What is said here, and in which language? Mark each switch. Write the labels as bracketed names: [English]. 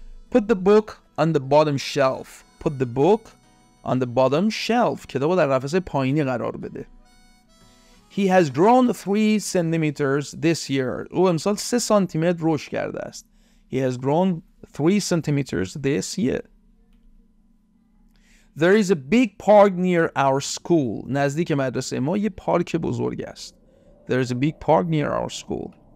[English] Put the book on the bottom shelf. Put the book on the bottom shelf. [Persian] کتابو در رف پایینی قرار بده. [English] He has grown 3 centimeters this year. [Persian] او امسال 3 سانتی متر رشد کرده است. [English] He has grown 3 centimeters this year. There is a big park near our school. [Persian] نزدیک مدرسه ما یه پارک بزرگ است. [English] There is a big park near our school.